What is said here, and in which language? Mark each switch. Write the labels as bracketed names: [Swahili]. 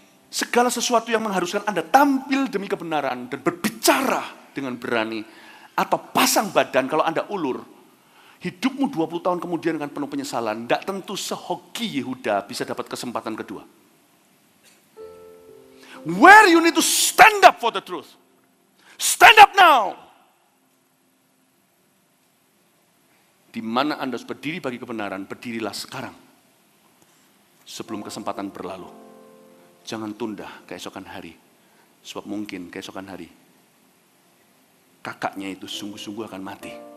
[Indonesian] Segala sesuatu yang mengharuskan Anda tampil demi kebenaran dan berbicara dengan berani atau pasang badan kalau Anda ulur, hidupmu 20 tahun kemudian dengan penuh penyesalan, tidak tentu sehoki Yehuda bisa dapat kesempatan kedua. [English] Where you need to stand up for the truth. Stand up now. [Indonesian] Di mana Anda harus berdiri bagi kebenaran, berdirilah sekarang. Sebelum kesempatan berlalu. Jangan tunda keesokan hari. Sebab mungkin keesokan hari, kakaknya itu sungguh-sungguh akan mati.